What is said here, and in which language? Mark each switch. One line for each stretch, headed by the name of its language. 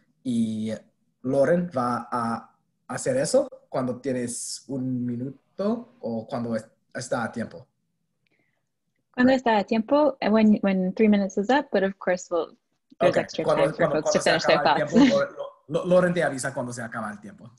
Spanish: Y Lauren va a hacer eso cuando tienes un minuto o cuando está a tiempo. Cuando está a tiempo,
English: when 3 minutes is up, but of course, there's extra time for folks to finish their thoughts.
Spanish: Lauren te avisa cuando se acaba el tiempo.